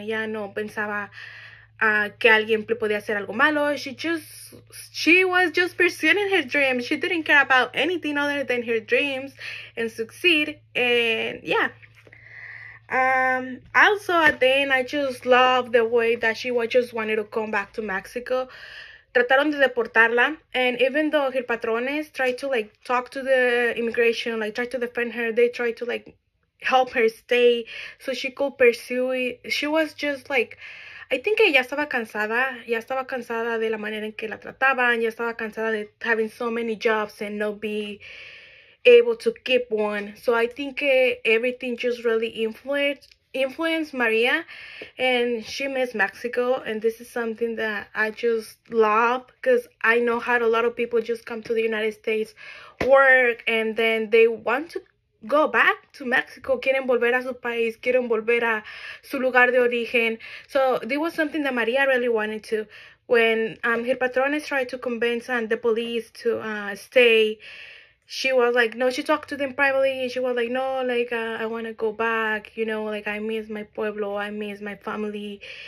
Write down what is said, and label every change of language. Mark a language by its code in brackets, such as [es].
[es] Ella no pensaba que alguien le podía hacer algo malo. [en] She was just pursuing her dreams. She didn't care about anything other than her dreams and succeed. And yeah. Also, at the end, I just love the way that she was just wanted to come back to Mexico. [es] Trataron de deportarla, [en] and even though her patrones tried to like talk to the immigration, like try to defend her, they tried to like help her stay so she could pursue it. She was just like, I think [es] que ya estaba cansada de [en] la manera en que la trataban, ya estaba cansada de having so many jobs and not be able to keep one. So I think que everything just really influenced Maria, and she missed Mexico, and this is something that I just love because I know how a lot of people just come to the United States, work, and then they want to go back to Mexico. [es] Quieren volver a su país, quieren volver a su lugar de origen. [en] So this was something that Maria really wanted to. When her patrones tried to convince the police to stay, she was like, no, she talked to them privately, and she was like, no, like, I want to go back, you know, like, I miss my pueblo, I miss my family.